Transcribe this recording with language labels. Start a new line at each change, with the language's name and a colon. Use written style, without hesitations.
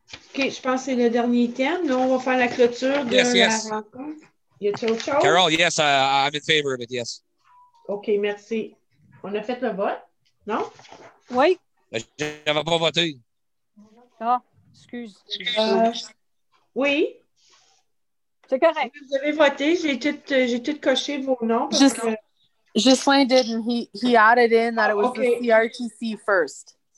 French: OK, je pense que c'est le dernier thème. Nous, on va faire la clôture de
English: yes.
French: La rencontre. Y a-t-il autre chose?
English: Carol, yes, I'm in favor of it, yes.
French: OK, merci. On a fait le vote, non? Oui. Je n'avais pas voté. Ah, excuse. Oui. C'est correct. Vous avez voté, j'ai tout coché vos noms.
English: Justin didn't. He added in that it was the CRTC first.